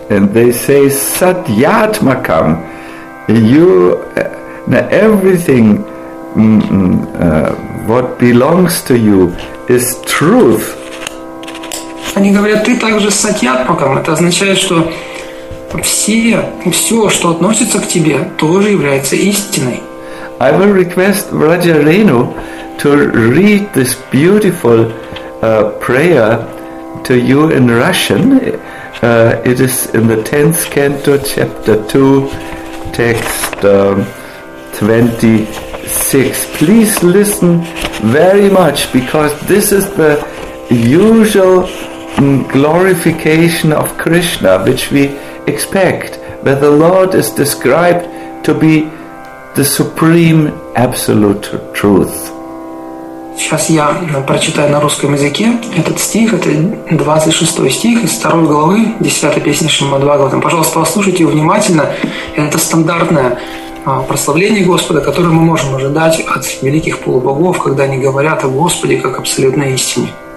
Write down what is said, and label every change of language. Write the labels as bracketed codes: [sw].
[en] And they say Satyatmakam, you, now everything what belongs to you is truth. [ru] Они говорят, ты также Сатьятмакам, это означает, что все, что относится к тебе, тоже является истиной. [en] I will request Raja Renu to read this beautiful prayer to you in Russian. It is in the 10th canto, chapter 2, text 26. Please listen very much, because this is the usual glorification of Krishna, which we expect, where the Lord is described to be the supreme absolute truth. [ru] Сейчас я прочитаю на русском языке этот стих, это 26 стих из 2 главы, 10 песни Шримад-Бхагаватам. Пожалуйста, послушайте его внимательно. Это стандартное прославление Господа, которое мы можем ожидать от великих полубогов, когда они говорят о Господе как абсолютной истине.